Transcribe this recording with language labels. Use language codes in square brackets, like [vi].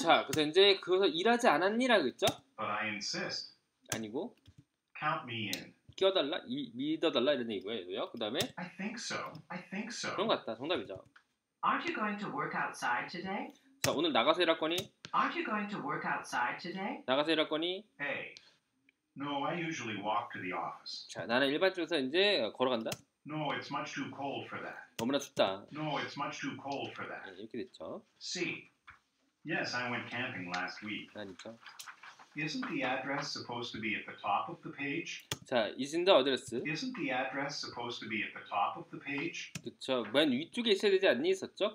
[ko] 자, 그래서 이제 그것을 일하지 않았니라고 했죠? [en] But I insist. [ko] 아니고? [en] Count me in. [ko] 끼워달라? 믿어달라? 이런 얘기고요. 그 다음에? [en] I think so. I think so. [ko] 그런 것 같다. 정답이죠. [en] Aren't you going to work outside today? [ko] 자, 오늘 나가서 일할 거니? [en] Aren't you going to work outside today? [ko] 나가서 일할 거니? [en] Hey, no, I usually walk to the office. [ko] 자, 나는 일반적으로 이제 걸어간다? [en] No, it's much too cold for that. [ko] 너무나 춥다. [en] No, it's much too cold for that. [ko] 네, 이렇게 됐죠. [en] See, yes, I went camping last week. [ko] 아니죠. [en] Isn't the address supposed to be at the top of the page? 자, isn't the address? Isn't the address supposed to be at the top of the page? [ko] 그쵸, 맨 위쪽에 있어야 되지 않니 있었죠?